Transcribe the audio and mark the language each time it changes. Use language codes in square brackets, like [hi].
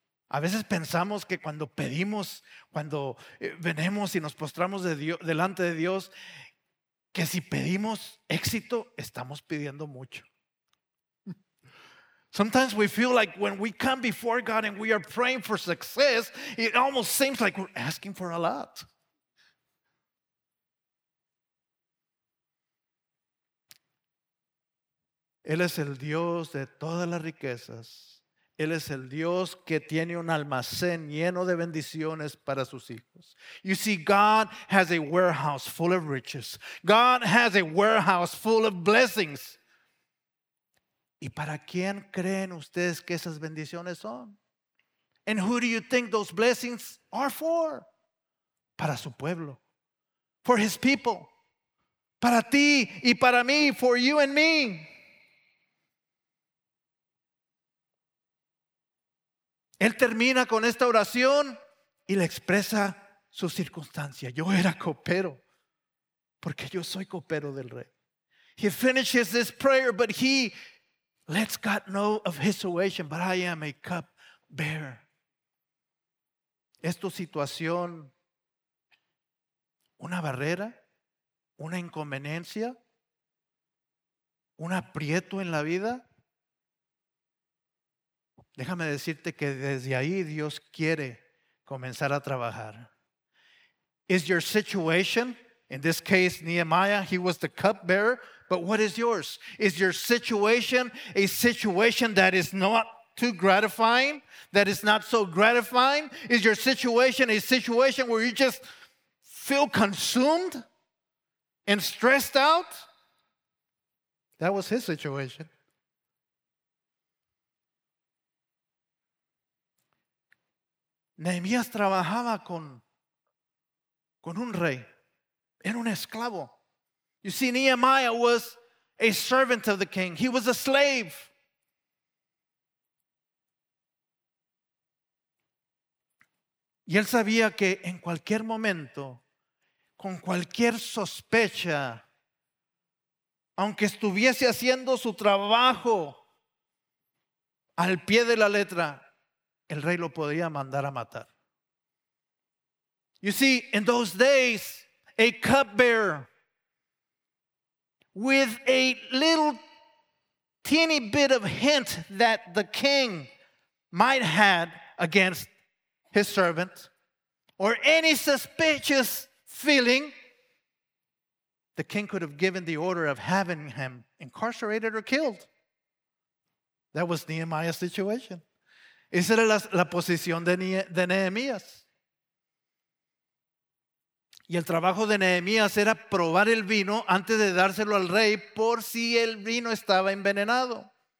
[es] A veces pensamos que cuando pedimos, cuando venimos y nos postramos delante de Dios, que si pedimos éxito, estamos pidiendo mucho. [en] Sometimes we feel like when we come before God and we are praying for success, it almost seems like we're asking for a lot. [es] Él es el Dios de todas las riquezas. Él es el Dios que tiene un almacén lleno de bendiciones para sus hijos. [en] You see, God has a warehouse full of riches. God has a warehouse full of blessings. [es] ¿Y para quién creen ustedes que esas bendiciones son? [en] And who do you think those blessings are for? [es] Para su pueblo. [en] For his people. [es] Para ti y para mí. [en] For you and me. [es] Él termina con esta oración y le expresa su circunstancia. Yo era copero, porque yo soy copero del rey. [en] He finishes this prayer, but he lets God know of his situation. But I am a cup bearer. [es] ¿Es tu situación una barrera, una inconveniencia, un aprieto en la vida? Déjame decirte que desde ahí Dios quiere comenzar a trabajar. [en] Is your situation, in this case Nehemiah, he was the cupbearer, but what is yours? Is your situation a situation that is not too gratifying, that is not so gratifying? Is your situation a situation where you just feel consumed and stressed out? That was his situation. [es] Nehemías trabajaba con un rey. Era un esclavo. [en] You see, Nehemiah was a servant of the king. He was a slave. [es] Y él sabía que en cualquier momento, con cualquier sospecha, aunque estuviese haciendo su trabajo al pie de la letra, el rey lo podía mandar a matar. [en] You see, in those days, a cupbearer with a little teeny bit of hint that the king might have against his servant or any suspicious feeling, the king could have given the order of having him incarcerated or killed. That was Nehemiah's situation. [es] Esa era la posición de Nehemías. Y el trabajo de Nehemías era probar el vino antes de dárselo al rey por si el vino estaba envenenado.